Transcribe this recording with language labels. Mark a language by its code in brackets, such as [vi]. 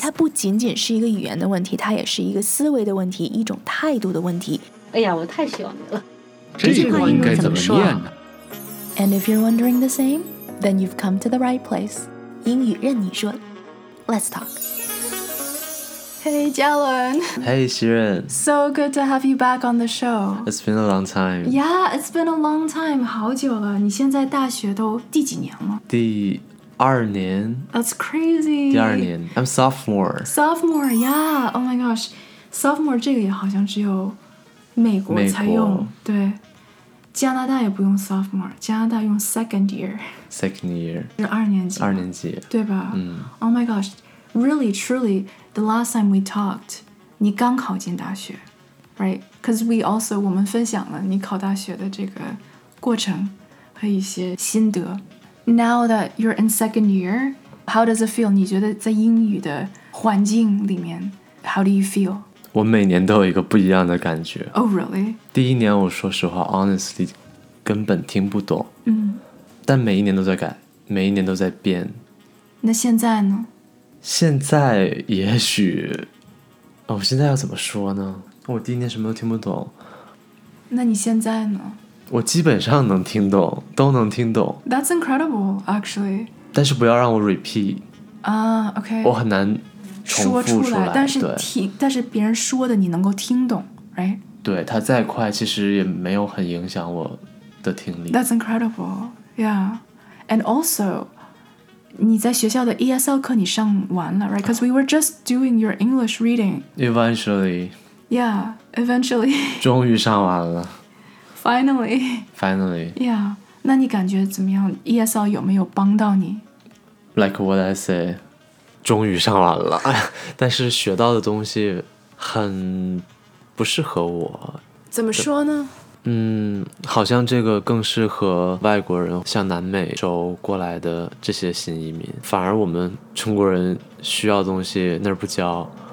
[zh] 它不仅仅是一个语言的问题，它也是一个思维的问题，一种态度的问题。哎呀，我太喜欢你了。这句话应该怎么念呢？ [en] And if you're wondering the same, then you've come to the right place. [zh] 英语任你说。 [en] Let's talk. Hey, Jalen. Hey, Shirin. So good to have you back on the show. It's been a long time. Yeah, it's been a long time. [zh] 好久了。你现在大学都第几年了？第二年 [en] That's crazy [zh] 第二年 [en] I'm sophomore Sophomore, yeah Oh my gosh Sophomore [zh] 这个也好像只有美国才用对加拿大也不用 sophomore 加拿大用 second year 是二年级对吧、嗯、 [en] Oh my gosh Really, truly The last time we talked [zh] 你刚考进大学 [en] Right Because we also [zh] 我们分享了你考大学的这个过程和一些心得 [en] Now that you're in second year, how does it feel? [zh] 你觉得在英语的环境里面 [en] how do you feel? [zh] 我每年都有一个不一样的感觉。 [en] Oh, really? [zh] 第一年我说实话 honestly, 根本听不懂。嗯。但每一年都在改，每一年都在变。那现在呢？现在也许，哦，现在要怎么说呢？我第一年什么都听不懂。那你现在呢？我基本上能听懂，都能听懂。 [en] That's incredible, actually. [zh] 但是不要让我 repeat. [en] OK. [zh] 我很难重复出来。说出来，但是听，但是别人说的你能够听懂， right? 对，他再快，其实也没有很影响我的听力。 [en] That's incredible, yeah. [zh] And also, 你在学校的 ESL 课你上完了， right? [en] Because we were just doing your English reading. Eventually. Yeah, eventually. [zh] 终于上完了。 [en] Finally. Yeah. [zh] 那你感觉怎么样 ?ESL 有没有帮到你 [en] ?Like what I say, [zh] 终于上完了。但是学到的东西很不适合我。怎么说呢？嗯，好像这个更适合外国人，像南美洲过来的这些新移民。反而我们中国人需要东西那儿不教。